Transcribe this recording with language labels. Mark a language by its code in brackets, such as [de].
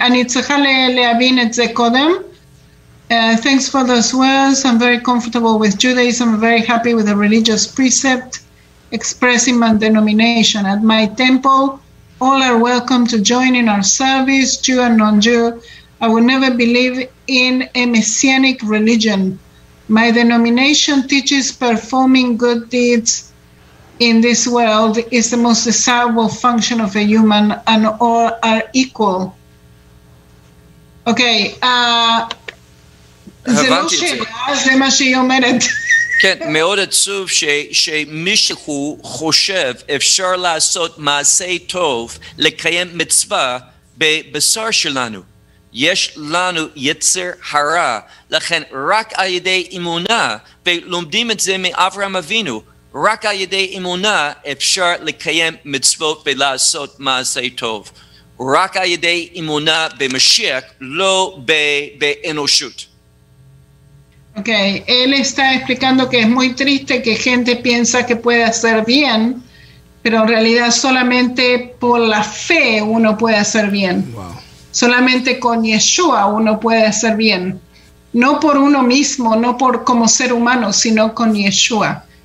[he] אני צריכה להבין את זה קודם. [en] Thanks for those words. I'm very comfortable with Judaism. I'm very happy with the religious precept expressing my denomination. At my temple, all are welcome to join in our service, Jew and non-Jew. I will never believe in a messianic religion. My denomination teaches performing good deeds in this world is the most desirable function of a human, and all are equal. Okay. [he] זה לא שאלה, זה מה שהיא אומרת. כן, מאוד עצוב שמישהו חושב אפשר לעשות מעשה טוב, לקיים מצווה בבשר שלנו. יש לנו יצר הרע, לכן רק על ידי אמונה, ולומדים את זה מאברהם אבינו, רק על ידי אמונה אפשר לקיים מצוות ולעשות מעשה טוב. רק על ידי אמונה במשיח, לא באנושות. [es] Okay, él está explicando que es muy triste que gente piensa que puede hacer bien, pero en realidad solamente por la fe uno puede hacer bien. Wow. Solamente con Yeshua uno puede hacer bien. No por uno mismo, no por como ser humano, sino con Yeshua.